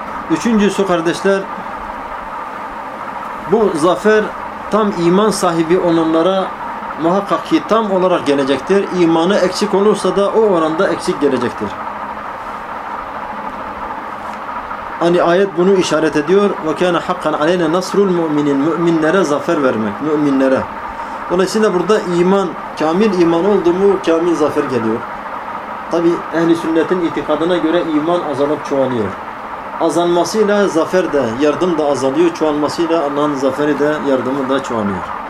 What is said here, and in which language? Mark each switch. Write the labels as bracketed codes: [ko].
[tr] Üçüncüsü kardeşler, bu zafer tam iman sahibi olanlara muhakkak ki tam olarak gelecektir. İmanı eksik olursa da o oranda eksik gelecektir. Hani ayet bunu işaret ediyor. [ar] وَكَانَ حَقًّا عَلَيْنَا نَصْرُ الْمُؤْمِنِينَ [tr] Müminlere zafer vermek, müminlere. Dolayısıyla burada iman, kamil iman oldu mu kamil zafer geliyor. Tabi ehli sünnetin itikadına göre iman azalıp çoğalıyor. Azalmasıyla zafer de, yardım da azalıyor. Çoğalmasıyla Allah'ın zaferi de, yardımı da çoğalıyor.